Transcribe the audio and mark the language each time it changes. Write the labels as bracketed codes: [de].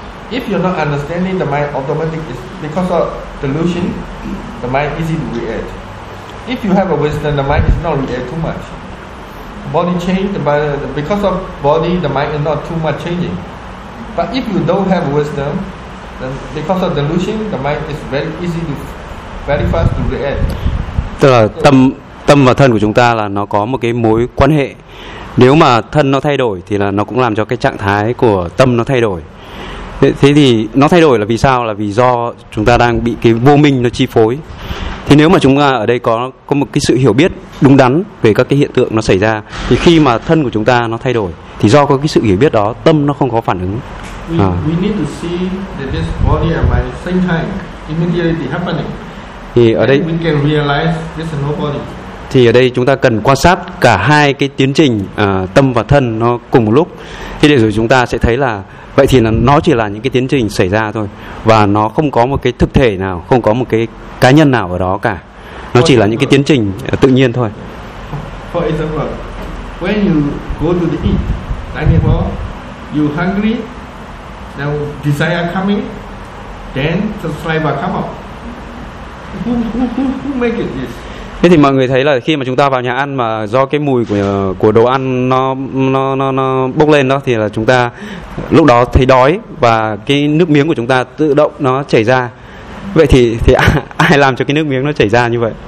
[en] If you're not understanding, the mind automatic is because of delusion, the mind easy to react. If you have a wisdom, the mind is not react too much. Body change, but because of body, the mind is not too much changing. But if you don't have wisdom, then because of delusion, the mind is very easy to very fast to react. [vi] Tức là tâm và thân của chúng ta là nó có một cái mối quan hệ. Nếu mà thân nó thay đổi thì là nó cũng làm cho cái trạng thái của tâm nó thay đổi. Thế thì nó thay đổi là vì sao? Là vì do chúng ta đang bị cái vô minh nó chi phối. Thì nếu mà chúng ta ở đây có một cái sự hiểu biết đúng đắn về các cái hiện tượng nó xảy ra, thì khi mà thân của chúng ta nó thay đổi thì do có cái sự hiểu biết đó, tâm nó không có phản ứng. [en] we need to see that this body and mind same time immediately happening. [vi] Thì ở đây [en] we can realize this no body. [vi] Thì ở đây chúng ta cần quan sát cả hai cái tiến trình tâm và thân nó cùng một lúc. Thì để rồi chúng ta sẽ thấy là vậy thì nó chỉ là những cái tiến trình xảy ra thôi, và nó không có một cái thực thể nào, không có một cái cá nhân nào ở đó cả. Nó chỉ là những cái tiến trình tự nhiên thôi. [en] For example, when you go to the eat, like before, you hungry, then desire coming, then the saliva come out. Who make it this? [vi] Thế thì mọi người thấy là khi mà chúng ta vào nhà ăn mà do cái mùi của đồ ăn nó bốc lên đó, thì là chúng ta lúc đó thấy đói và cái nước miếng của chúng ta tự động nó chảy ra. Vậy thì ai làm cho cái nước miếng nó chảy ra như vậy?